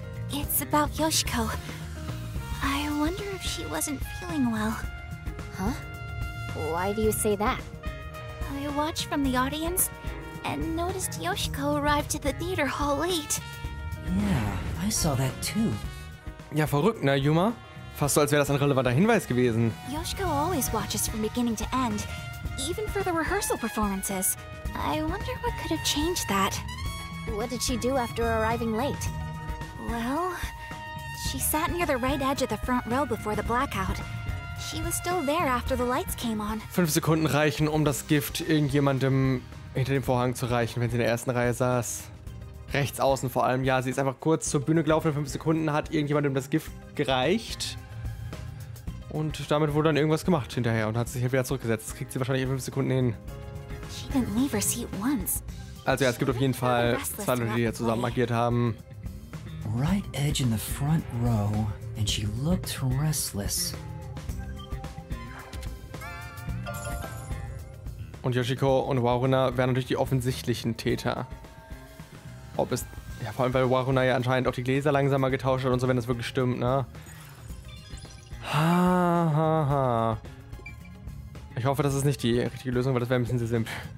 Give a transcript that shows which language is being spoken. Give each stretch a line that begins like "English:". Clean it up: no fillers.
English: It's about Yoshiko. I wonder if she wasn't feeling well. Huh? Why do you say that? I watched from the audience and noticed Yoshiko arrived at the theater hall late. Yeah, I saw that too.
German: Ja, verrückt, ne, Yuma? Fast so, als wäre das ein relevanter Hinweis gewesen.
English: Yoshiko always watches from beginning to end, even for the rehearsal performances. I wonder what could have changed that. What did she do after arriving late? Well, she sat near the right edge of the front row before the blackout. She was still there after the lights came on.
German: 5 Sekunden reichen, um das Gift irgendjemandem hinter dem Vorhang zu reichen, wenn sie in der ersten Reihe saß. Rechts außen vor allem. Ja, sie ist einfach kurz zur Bühne gelaufen. 5 Sekunden hat irgendjemandem das Gift gereicht. Und damit wurde dann irgendwas gemacht hinterher und hat sich wieder zurückgesetzt. Das kriegt sie wahrscheinlich in 5 Sekunden hin.
English: She didn't leave her seat once.
German: Also ja, es gibt auf jeden Fall zwei Leute, die hier zusammen agiert haben.
English: Right edge in the front row, and she looked restless.
German: Und Yoshiko und Waruna wären natürlich die offensichtlichen Täter. Ob es. Ja, vor allem, weil Waruna ja anscheinend auch die Gläser langsamer getauscht hat und so, wenn das wirklich stimmt, ne? Ha, ha, ha. Ich hoffe, das ist nicht die richtige Lösung, weil das wäre ein bisschen sehr simpel.